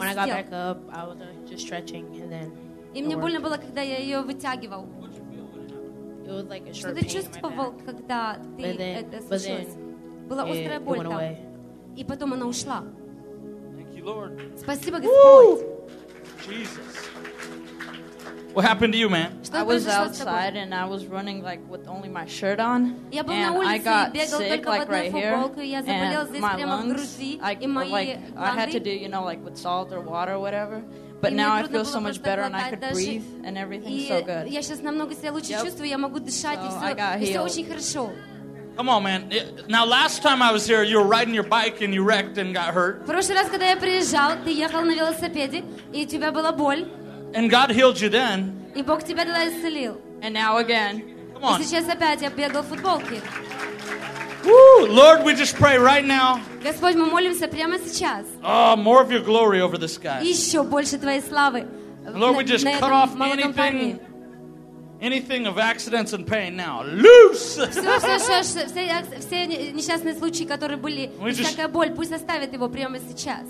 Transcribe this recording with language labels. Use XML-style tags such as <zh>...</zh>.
<en>when I got back up, I was just stretching, and then.</en> <ru>И мне больно было, когда я ее вытягивал.</ru> <en>It was like a sharp</en> <ru>Что ты чувствовал, когда ты это случилось? Была острая боль там. И потом она ушла.</ru> <en>Thank you, Lord.</en> <ru>Спасибо, Господь.</ru> <en>Jesus. What happened to you, man? I was outside and I was running like with only my shirt on. And I got sick like right here. And my lungs, I had to do, you know, like with salt or water or whatever. But now I feel so much better and I could breathe and everything's so good.</en> <ru>Я лучше чувствую, я могу дышать и всё очень хорошо.</ru> <en>Come on, man. Now, last time I was here, you were riding your bike and you wrecked and got hurt.</en> <ru>В прошлый раз, когда я приезжал, ты ехал на велосипеде и у тебя была боль.</ru> <en>And God healed you then.</en> <ru>И Бог тебя тогда исцелил.</ru> <en>And now again. Come on.</en> <ru>И сейчас опять я бегал в футболке. Woo!</ru> <en>Lord, we just pray right now.</en> <ru>Господь, мы молимся прямо сейчас.</ru> <en>Oh, more of your glory over this guy.</en> <ru>Еще больше твоей славы.</ru> <en>Lord, we just cut off anything.</en> <ru>Парни.</ru> <en>Anything of accidents and pain now. Loose.</en> <ru>Все несчастные случаи, которые были, и всякая боль, пусть оставят его прямо сейчас.</ru>